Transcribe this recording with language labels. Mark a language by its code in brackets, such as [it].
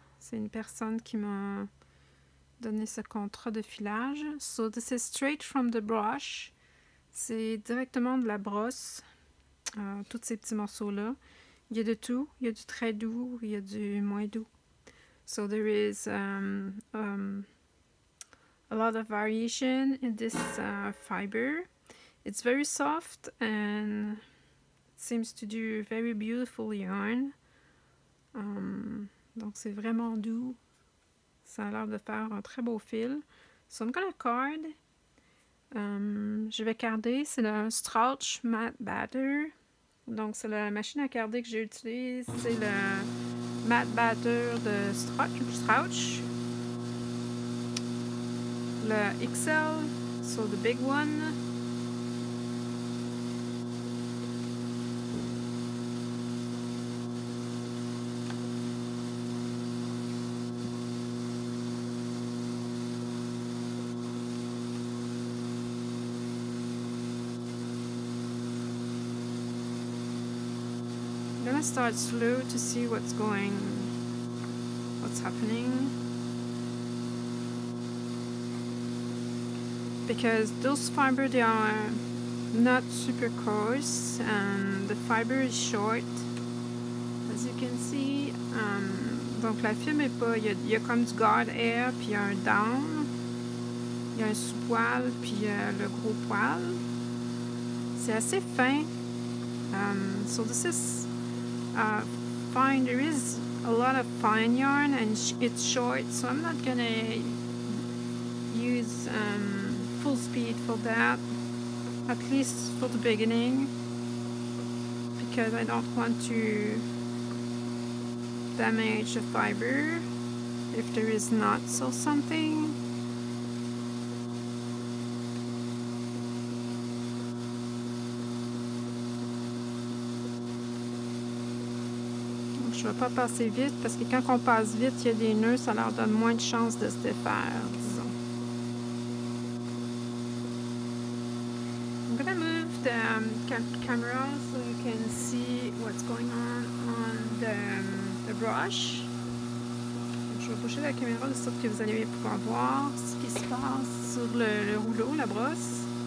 [fr] C'est une personne qui m'a donné ce contrat de filage. [en] So this is straight from the brush. [fr] C'est directement de la brosse, tous ces petits morceaux-là. Il y a de tout. Il y a du très doux, il y a du moins doux. [en] So there is a lot of variation in this fiber. It's very soft and seems to do very beautiful yarn. [fr] Donc c'est vraiment doux. Ça a l'air de faire un très beau fil. [en] So I'm gonna card. [fr] Je vais carder, c'est le Strauch Mad Batt’r. Donc c'est la machine à carder que j'utilise, c'est le Mad Batt’r de Strauch. [en] Le XL, so the big one. Start slow to see what's happening, because those fiber, they are not super coarse and the fiber is short, as you can see. [fr] Donc la film est pas, il y a comme du guard hair, puis il y a un down, il y a un sous-poil, puis il y a le gros poil. C'est assez fin. [en] So this is fine, there is a lot of fine yarn and it's short, so I'm not gonna use full speed for that, at least for the beginning, because I don't want to damage the fiber if there is knots or something. [fr] Je vais pas passer vite parce que quand on passe vite, il y a des nœuds, ça leur donne moins de chances de se défaire, disons. [en] I'm gonna move the camera so you can see what's going on the brush. [fr] Je vais bouger la caméra de sorte que vous allez pouvoir voir ce qui se passe sur le rouleau, la brosse.